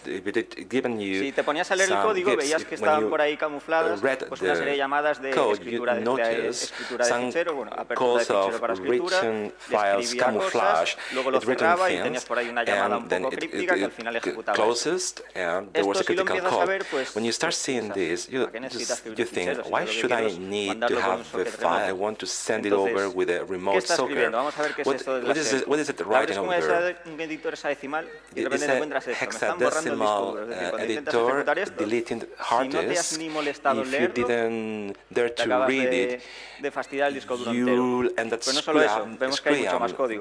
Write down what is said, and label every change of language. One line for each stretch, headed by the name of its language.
Spanish: Si te ponías a leer el código, veías que estaba por ahí camufladas pues una serie de llamadas de escritura de fichero, bueno, apertura de fichero para escritura, escribía cosas, luego lo cerraba y tenías por ahí una llamada un poco críptica que al final ejecutaba. Esto si lo empiezas a ver, pues
English: when you start seeing this, you think, why should I need to have a file? I want to send it over with a remote soccer.
Spanish: Vamos a ver qué es esto de la
English: what is it writing over there?
Spanish: Un editor hexadecimal y de repente encuentras esto, me están borrando el disco, es decir, cuando intentas ejecutar esto, si no te has ni molestado
English: if
Spanish: leerlo,
English: you didn't dare to read it,
Spanish: de fastidiar el disco duro entero. Pero no solo eso, vemos que hay mucho más código.